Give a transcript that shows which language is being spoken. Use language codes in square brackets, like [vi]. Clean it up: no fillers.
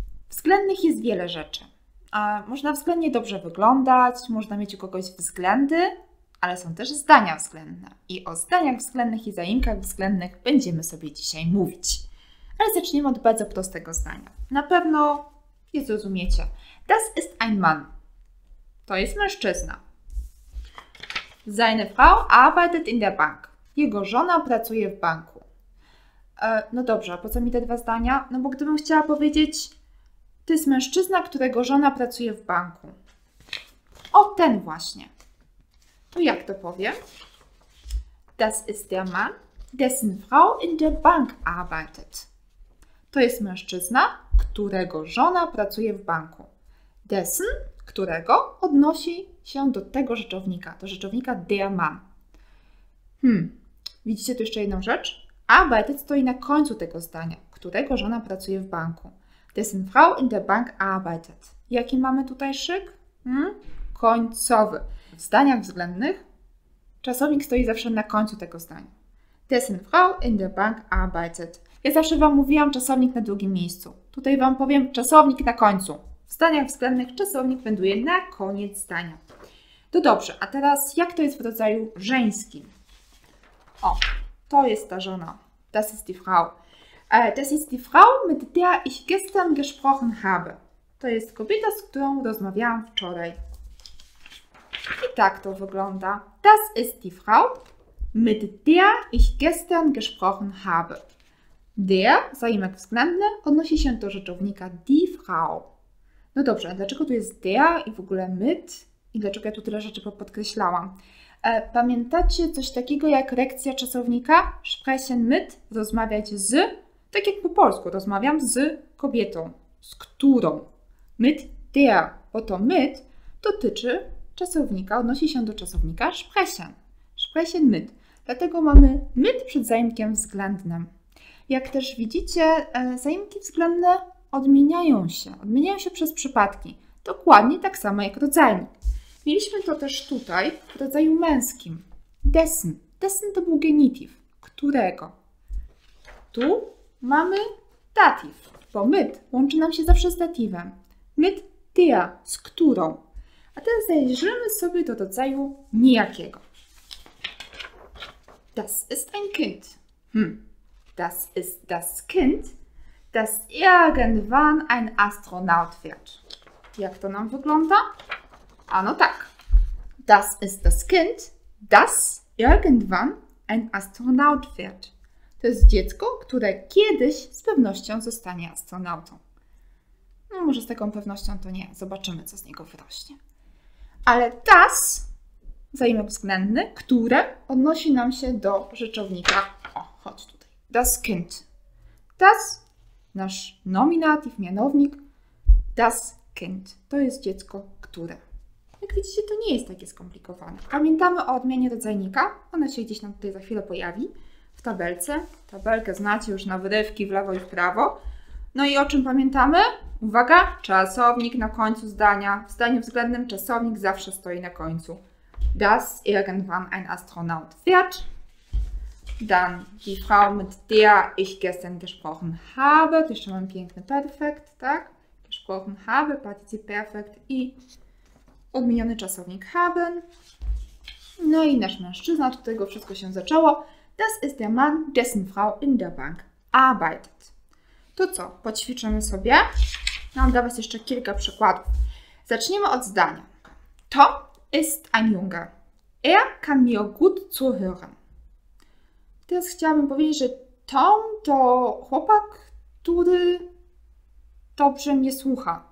[pl] Względnych jest wiele rzeczy. Można względnie dobrze wyglądać, można mieć u kogoś względy, ale są też zdania względne. I o zdaniach względnych i zaimkach względnych będziemy sobie dzisiaj mówić. Ale zaczniemy od bardzo prostego zdania. Na pewno je zrozumiecie. [de] Das ist ein Mann. [pl] To jest mężczyzna. [de] Seine Frau arbeitet in der Bank. [pl] Jego żona pracuje w banku. No dobrze, a po co mi te dwa zdania? No bo gdybym chciała powiedzieć... To jest mężczyzna, którego żona pracuje w banku. O, ten właśnie. To jak to powiem? [de] Das ist der Mann, dessen Frau in der Bank arbeitet. [pl] To jest mężczyzna, którego żona pracuje w banku. Dessen, którego, odnosi się do tego rzeczownika, do rzeczownika der Mann. Widzicie tu jeszcze jedną rzecz? Arbeitet stoi na końcu tego zdania, którego żona pracuje w banku. [de] Dessen Frau in der Bank arbeitet. [pl] Jaki mamy tutaj szyk? Końcowy. W zdaniach względnych czasownik stoi zawsze na końcu tego zdania. [de] Dessen Frau in der Bank arbeitet. [pl] Ja zawsze Wam mówiłam czasownik na drugim miejscu. Tutaj Wam powiem czasownik na końcu. W zdaniach względnych czasownik wędruje na koniec zdania. To dobrze, a teraz jak to jest w rodzaju żeńskim? O, to jest ta żona. [de] Das ist die Frau. Das ist die Frau, mit der ich gestern gesprochen habe. [pl] To jest kobieta, z którą rozmawiałam wczoraj. I tak to wygląda. [de] Das ist die Frau, mit der ich gestern gesprochen habe. [pl] Der, zaimek względny, odnosi się do rzeczownika die Frau. No dobrze, a dlaczego tu jest der i w ogóle mit? I dlaczego ja tu tyle rzeczy podkreślałam? Pamiętacie coś takiego jak reakcja czasownika? Sprechen mit, rozmawiać z... Tak jak po polsku, rozmawiam z kobietą. Z którą? Mit der. Bo to mit dotyczy czasownika, odnosi się do czasownika sprechen. Sprechen mit. Dlatego mamy mit przed zaimkiem względnym. Jak też widzicie, zaimki względne odmieniają się. Odmieniają się przez przypadki. Dokładnie tak samo jak rodzajnik. Mieliśmy to też tutaj w rodzaju męskim. Dessen. Dessen to był genitiv. Którego? Tu... Mamy dativ, bo mit łączy nam się zawsze z datiwem. Mit der, z którą. A teraz zajrzymy sobie do rodzaju nijakiego. [de] Das ist ein Kind. Das ist das Kind, das irgendwann ein Astronaut wird. [pl] Jak to nam wygląda? Ano tak. [de] Das ist das Kind, das irgendwann ein Astronaut wird. [pl] To jest dziecko, które kiedyś z pewnością zostanie astronautą. No może z taką pewnością to nie. Zobaczymy, co z niego wyrośnie. Ale das, zaimek względny, które odnosi nam się do rzeczownika. O, chodź tutaj. Das Kind. Das, nasz nominativ, mianownik. Das Kind. To jest dziecko, które. Jak widzicie, to nie jest takie skomplikowane. Pamiętamy o odmianie rodzajnika. Ona się gdzieś nam tutaj za chwilę pojawi. W tabelce. Tabelkę znacie już na wyrywki w lewo i w prawo. No i o czym pamiętamy? Uwaga! Czasownik na końcu zdania. W zdaniu względnym czasownik zawsze stoi na końcu. [de] Das irgendwann ein Astronaut wird. Dann die Frau, mit der ich gestern gesprochen habe. [pl] Tu jeszcze mam piękny perfekt, tak? [de] Gesprochen habe, [pl] particip perfect i odmieniony czasownik haben. No i nasz mężczyzna, od którego wszystko się zaczęło. [de] Das ist der Mann, dessen Frau in der Bank arbeitet. [pl] To co? Poćwiczymy sobie. Mam dla Was jeszcze kilka przykładów. Zacznijmy od zdania. [de] To ist ein Junge. Er kann mir gut zuhören. [pl] Teraz chciałabym powiedzieć, że Tom to chłopak, który dobrze mnie słucha.